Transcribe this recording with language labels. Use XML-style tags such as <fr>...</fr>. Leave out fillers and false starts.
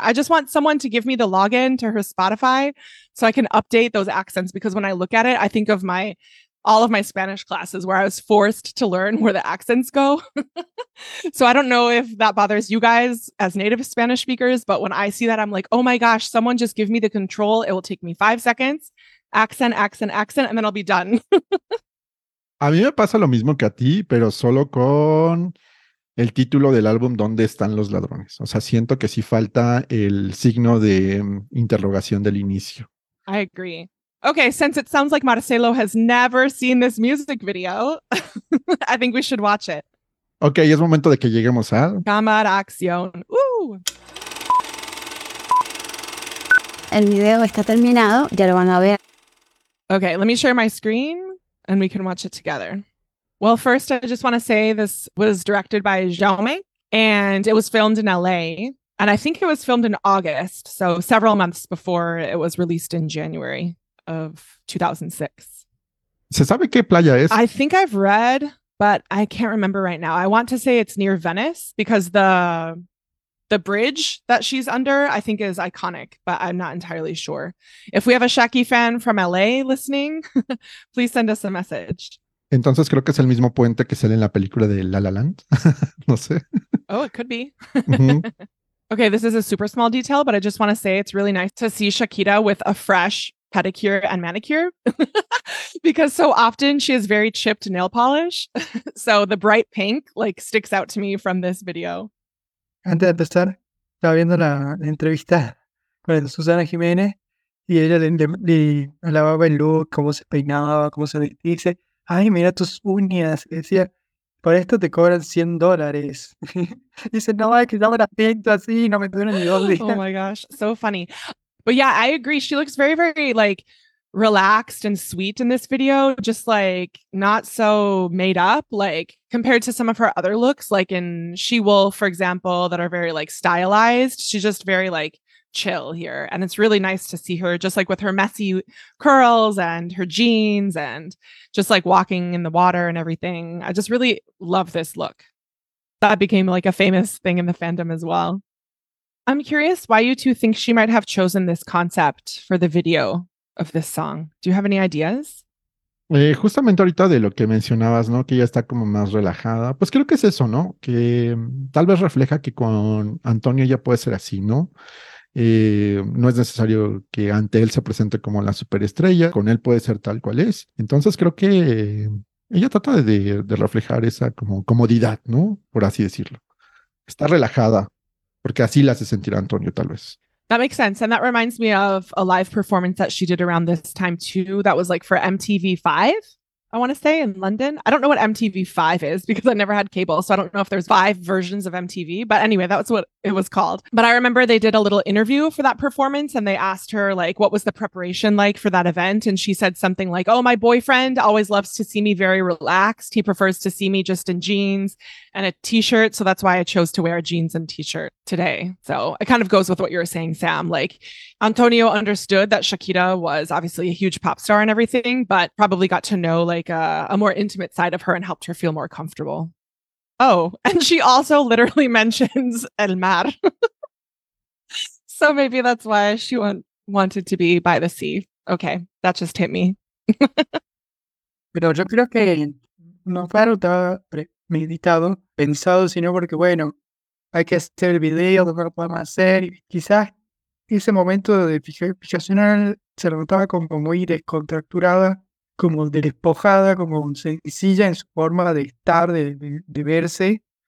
<en>I just want someone to give me the login to her Spotify so I can update those accents, because when I look at it, I think of my all of my Spanish classes where I was forced to learn where the accents go. So I don't know if that bothers you guys as native Spanish speakers, but when I see that, I'm like, oh my gosh, someone just give me the control. It will take me 5 seconds. Accent, accent, accent, and then I'll be done.</en> <es>A mí me pasa lo mismo que a ti, pero solo con el título del álbum, ¿Dónde están los ladrones? O sea, siento que sí falta el signo de interrogación del inicio.</es> <en>I agree. Okay, since it sounds like Marcelo has never seen this music video, I think we should watch it.</en> <es>Okay, es momento de que lleguemos a Cámara Acción. El video está terminado, ya lo van a ver.</es> <en>Okay, let me share my screen and we can watch it together. Well, first, I just want to say this was directed by Jaume, and it was filmed in LA, and I think it was filmed in August, so several months before it was released in January of 2006.</en> <es>¿Se sabe qué playa es?</es> <en>I think I've read, but I can't remember right now. I want to say it's near Venice, because the bridge that she's under, I think, is iconic, but I'm not entirely sure. If we have a Shaki fan from LA listening, please send us a message.</en> <es>Entonces creo que es el mismo puente que sale en la película de La La Land. No sé.</es> <en>Oh, it could be. Mm-hmm. Okay, this is a super small detail, but I just want to say it's really nice to see Shakira with a fresh pedicure and manicure. Because so often she has very chipped nail polish. So the bright pink like sticks out to me from this video.</en> <es>Antes de empezar, estaba viendo la entrevista con Susana Jiménez y ella le alababa el look, cómo se peinaba, cómo se dice. Ay, mira tus uñas. Decía, por esto te cobran $100. Dice, no, es que ya me la pinto así, no me duele ni dos días.</es> <en>Oh my gosh, so funny. But yeah, I agree. She looks very, very like relaxed and sweet in this video. Just like not so made up, like compared to some of her other looks, like in She Wolf, for example, that are very like stylized. She's just very like chill here. And it's really nice to see her just like with her messy curls and her jeans and just like walking in the water and everything. I just really love this look. That became like a famous thing in the fandom as well. I'm curious why you two think she might have chosen this concept for the video of this song. Do you have any ideas? Justamente ahorita de lo que mencionabas, ¿no? Que ella está como más relajada. Pues creo que es eso, ¿no? Que tal vez refleja que con Antonio ya puede ser así, ¿no? No es necesario que ante él se presente como la superestrella, con él puede ser tal cual es. Entonces creo que ella trata de reflejar esa como comodidad, ¿no? Por así decirlo. Está relajada, porque así la hace sentir Antonio, tal vez. That makes sense. And that reminds me of a live performance that she did around this time too, that was like for MTV5. I want to say, in London. I don't know what MTV5 is because I never had cable. So I don't know if there's five versions of MTV. But anyway, that was what it was called. But I remember they did a little interview for that performance and they asked her, like, what was the preparation like for that event? And she said something like, oh, my boyfriend always loves to see me very relaxed. He prefers to see me just in jeans and a t-shirt. So that's why I chose to wear a jeans and t-shirt today. So it kind of goes with what you were saying, Sam. Like, Antonio understood that Shakira was obviously a huge pop star and everything, but probably got to know like a more intimate side of her and helped her feel more comfortable. Oh, and she also literally mentions El Mar. So maybe that's why she wanted to be by the sea. Okay, that just hit me.</en> <es>Pero yo creo que no falta premeditado, pensado, sino porque, bueno, hay que hacer el video, lo que podemos hacer. Y quizás ese momento de fijación se notaba como muy descontracturada, como despojada, como sencilla en su forma de estar, de verse,</es>